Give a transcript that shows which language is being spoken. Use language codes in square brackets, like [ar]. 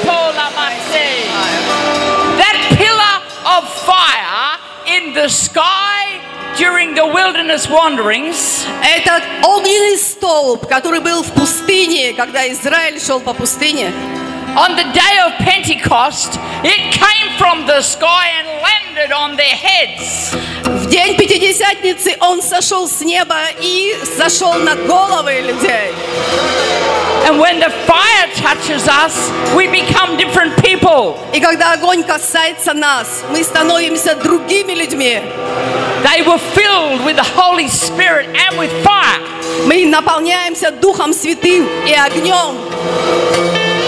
[en] That pillar of fire in the sky during the wilderness wanderings. [ru] Этот огненный столб, который был в пустыне, когда Израиль шел по пустыне. [en] On the day of Pentecost, it came from the sky and landed on their heads. [ru] В день Пятидесятницы он сошел с неба и сошел над головой людей. [en] And when the fire touches us, we become different people. [ru] И когда огонь касается нас, мы становимся другими людьми. [en] They were filled with the Holy Spirit and with fire. [ru] Мы наполняемся Духом Святым и огнем.